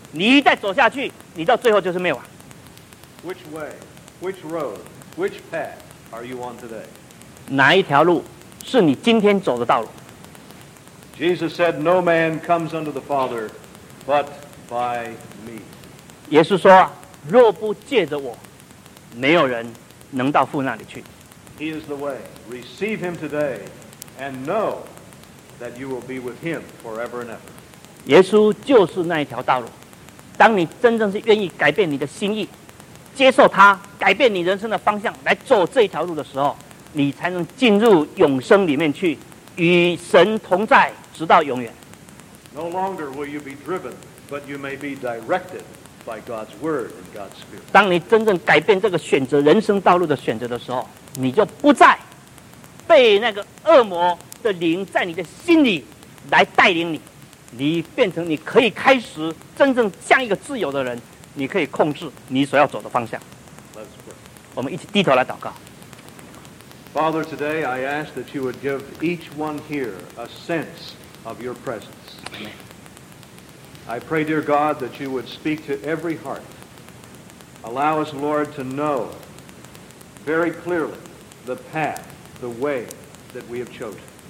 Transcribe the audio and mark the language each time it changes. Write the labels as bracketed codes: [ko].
[zh] 你一再走下去，你到最后就是灭亡。 [en] Which way, which road, which path are you on today? [zh] 哪一条路是你今天走的道路？ [en] Jesus said, "No man comes unto the Father, but by me." [zh] 耶稣说，若不借着我，没有人能到父那里去。 [en] He is the way. Receive him today, and know. That you will be with him forever and ever. [zh] 耶稣就是那一条道路。当你真正是愿意改变你的心意，接受他，改变你人生的方向，来走这一条路的时候，你才能进入永生里面去，与神同在，直到永远。 No longer will you be driven, but you may be directed by God's word and God's spirit. 当你真正改变这个选择人生道路的选择的时候，你就不再被那个恶魔。的灵在你的心里来带领你，你变成你可以开始真正像一个自由的人，你可以控制你所要走的方向。我们一起低头来祷告。 [en] Father, today I ask that you would give each one here a sense of your presence. I pray, dear God, that you would speak to every heart. Allow us, Lord, to know very clearly the path, the way that we have chosen.